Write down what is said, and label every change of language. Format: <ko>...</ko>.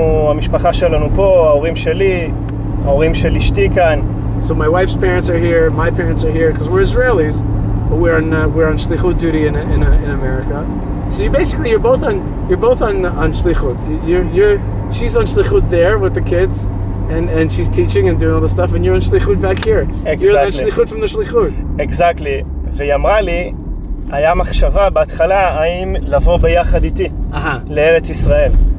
<he>המשפחה שלנו פה, ההורים של אשתי כאן.</he> <en>So my wife's parents are here, my parents are here, because we're Israelis, but we're on שליחות duty in America. So you're both on שליחות. She's on שליחות there with the kids, and she's teaching and doing all the stuff, and you're on שליחות back here. Exactly. You're on שליחות from the שליחות. Exactly.</en> <he>והיא אמרה לי, היה מחשבה בהתחלה, האם לבוא ביחד איתי, לארץ ישראל.</he>